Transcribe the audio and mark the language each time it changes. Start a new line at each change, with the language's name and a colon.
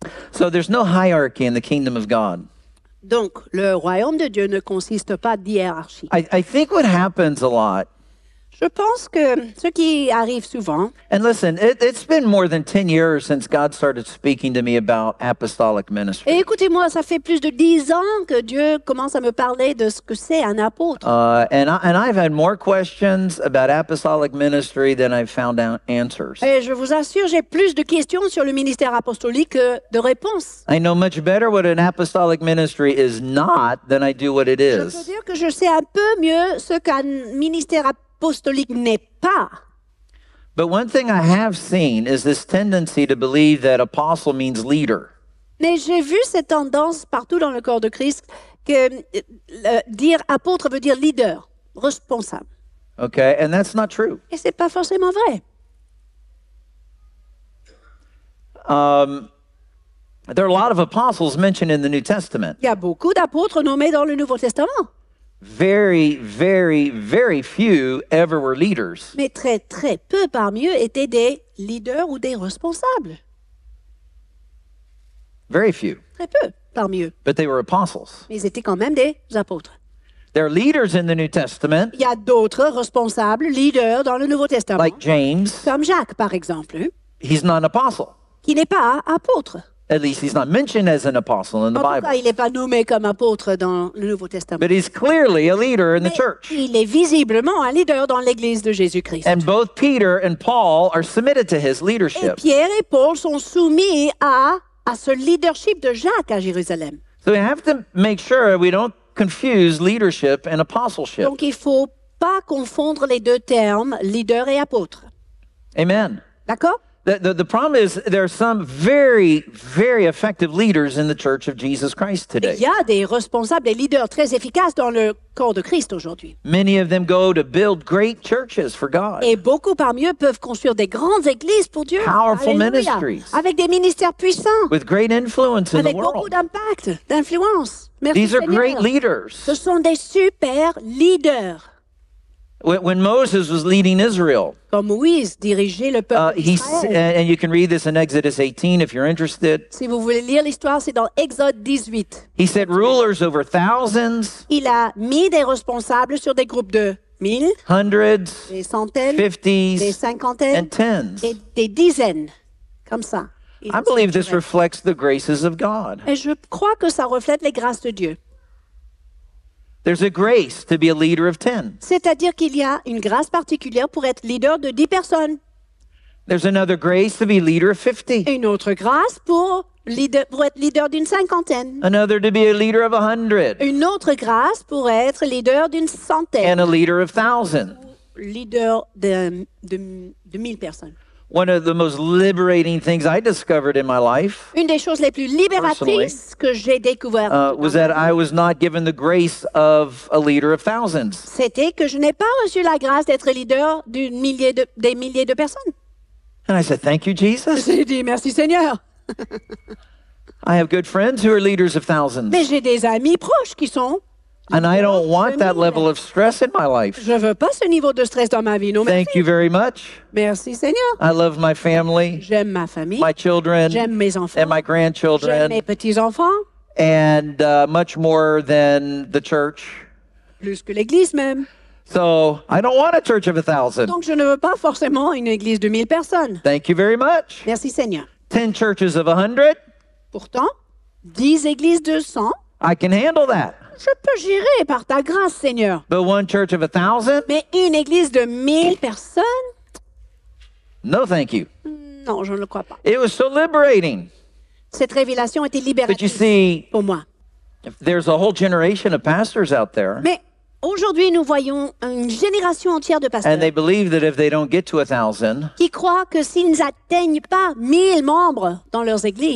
English: So there's no hierarchy in the kingdom of God.
French: Donc le royaume de Dieu ne consiste pas d'hierarchie.
English: I think what happens a lot.
French: Je pense que ce qui arrive souvent.
English: And listen, it's been more than 10 years since God started speaking to me about apostolic ministry.
French: Et écoutez-moi, ça fait plus de 10 ans que Dieu commence à me parler de ce que c'est un apôtre.
English: And I've had more questions about apostolic ministry than I've found answers.
French: Et je vous assure, j'ai plus de questions sur le ministère apostolique que de réponses.
English: I know much better what an apostolic ministry is not than I do what it is.
French: Je peux dire que je sais un peu mieux ce qu'un ministère apostolique n'est pas.
English: But one thing I have seen is this tendency to believe that apostle means leader.
French: Mais j'ai vu cette tendance partout dans le corps de Christ que dire apôtre veut dire leader, responsable.
English: Okay, and that's not true.
French: Et c'est pas forcément vrai.
English: There are a lot of apostles mentioned in the New Testament.
French: Il y a beaucoup d'apôtres nommés dans le Nouveau Testament.
English: Very, very, very few ever were leaders.
French: Mais très, très peu parmi eux étaient des leaders ou des responsables.
English: Very few.
French: Très peu parmi eux.
English: But they were apostles.
French: Mais ils étaient quand même des apôtres.
English: There are leaders in the New Testament.
French: Il y a d'autres responsables, leaders dans le Nouveau Testament.
English: Like James.
French: Comme Jacques, par exemple.
English: He's not an apostle.
French: Qui n'est pas apôtre.
English: At least he's not mentioned as an apostle in the Bible.
French: Il n'est pas nommé comme apôtre dans le Nouveau Testament.
English: But he's clearly a leader in the church.
French: Il est visiblement un leader dans l'église de Jésus-Christ.
English: And both Peter and Paul are submitted to his leadership.
French: Et Pierre et Paul sont soumis à ce leadership de Jacques à Jérusalem.
English: So we have to make sure we don't confuse leadership and apostleship.
French: Donc il faut pas confondre les deux termes leader et apôtre.
English: Amen.
French: D'accord?
English: The problem is there are some very, very effective leaders in the Church of Jesus Christ today.
French: Il y a des responsables, des leaders très efficaces dans le corps de Christ aujourd'hui.
English: Many of them go to build great churches for God.
French: Et beaucoup parmi eux peuvent construire des grandes églises pour Dieu.
English: Powerful
French: Alléluia.
English: Ministries.
French: Avec des ministères puissants.
English: With great influence
French: avec
English: in the world.
French: Avec beaucoup d'impact, d'influence. Merci
English: These
French: Seigneur.
English: Are great leaders.
French: Ce sont des super leaders.
English: When Moses was leading Israel,
French: quand Moïse dirigeait le peuple d'Israël,
English: and you can read this in Exodus 18 if you're interested.
French: Si vous voulez lire l'histoire, c'est dans Exode 18.
English: He set rulers over thousands.
French: Il a mis des responsables sur des groupes de mille,
English: hundreds,
French: des centaines,
English: fifties,
French: des cinquantaines,
English: and tens,
French: et des dizaines, comme ça.
English: I believe this reflects the graces of God.
French: Et je crois que ça reflète les grâces de Dieu.
English: There's a grace to be a leader of 10.
French: C'est-à-dire qu'il y a une grâce particulière pour être leader de 10 personnes.
English: There's another grace to be leader of 50.
French: Et une autre grâce pour être leader d'une cinquantaine.
English: Another to be a leader of 100.
French: Une autre grâce pour être leader d'une centaine.
English: And a leader of 1,000.
French: Leader de 1,000 personnes.
English: One of the most liberating things I discovered in my life,
French: une des choses les plus libératrices que j'ai découvert,
English: was that I was not given the grace of a leader of thousands.
French: C'était que je n'ai pas reçu la grâce d'être leader d'une millier de des milliers de personnes.
English: And I said, "Thank you, Jesus."
French: J'ai dit merci, Seigneur.
English: I have good friends who are leaders of thousands.
French: Mais j'ai des amis proches qui sont.
English: And I don't want that level of stress in my life.
French: Je veux pas ce niveau de stress dans ma vie, non, merci.
English: Thank you very much.
French: Merci, Seigneur.
English: I love my family.
French: J'aime ma famille.
English: My children.
French: J'aime mes enfants.
English: And my grandchildren.
French: J'aime mes petits-enfants.
English: And much more than the church.
French: Plus que l'église même.
English: So, I don't want a church of 1,000.
French: Donc je ne veux pas forcément une église de 1,000 personnes.
English: Thank you very much.
French: Merci, Seigneur.
English: 10 churches of 100.
French: Pourtant, 10 églises de 100.
English: I can handle that.
French: Je peux gérer par ta grâce, Seigneur.
English: But one church of 1,000?
French: Mais une église de 1,000 personnes?
English: No, thank you.
French: Non, je ne le crois pas.
English: It was so liberating.
French: Cette révélation était libératrice.
English: But you see,
French: pour moi.
English: There's a whole generation of pastors out there.
French: Mais aujourd'hui, nous voyons une génération entière de pasteurs.
English: And they believe that if they don't get to 1,000,
French: qui croient que s'ils n'atteignent pas 1,000 membres dans leurs églises,